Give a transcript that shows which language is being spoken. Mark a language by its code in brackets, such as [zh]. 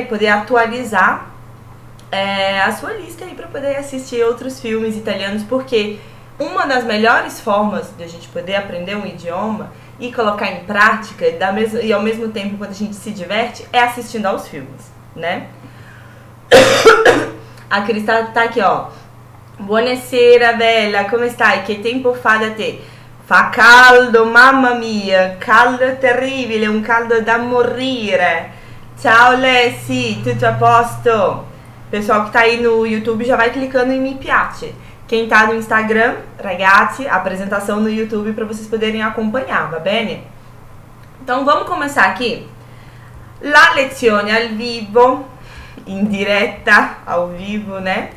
[pt] E poder atualizar a sua lista aí para poder assistir outros filmes italianos, porque uma das melhores formas de a gente poder aprender um idioma e colocar em prática e ao mesmo tempo quando a gente se diverte é assistindo aos filmes, né? A Cris tá aqui, ó. [it] Buonasera, bella, come stai? Che tempo fa da te? Fa caldo, mamma mia, caldo terribile, un caldo da morire. Ciao, Lessi, tutto a posto? [pt] Pessoal que tá aí no YouTube, já vai clicando em me piace. Quem tá no Instagram, ragazzi, apresentação no YouTube para vocês poderem acompanhar, [it] va bene? [pt] Então, vamos começar aqui. [it] La lezione al vivo, in diretta, [pt] ao vivo, né?